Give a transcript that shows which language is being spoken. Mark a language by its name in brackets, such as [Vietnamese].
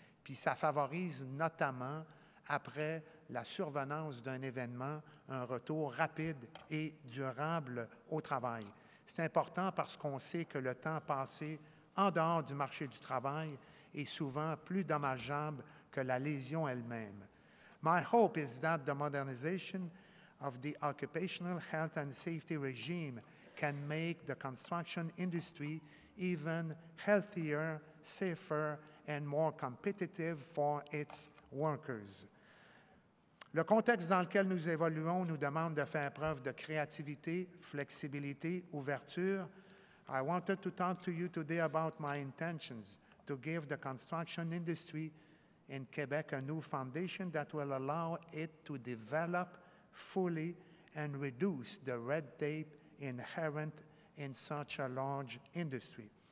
[French] Puis ça favorise notamment, après la survenance d'un événement, un retour rapide et durable au travail. C'est important parce qu'on sait que le temps passé en dehors du marché du travail est souvent plus dommageable que la lésion elle-même. [English] My hope is that the modernization of the occupational health and safety regime can make the construction industry even healthier, safer, and more competitive for its workers. [French] Le contexte dans lequel nous évoluons nous demande de faire preuve de créativité, flexibilité, ouverture. [English] I wanted to talk to you today about my intentions to give the construction industry in Quebec a new foundation that will allow it to develop fully and reduce the red tape inherent in such a large industry.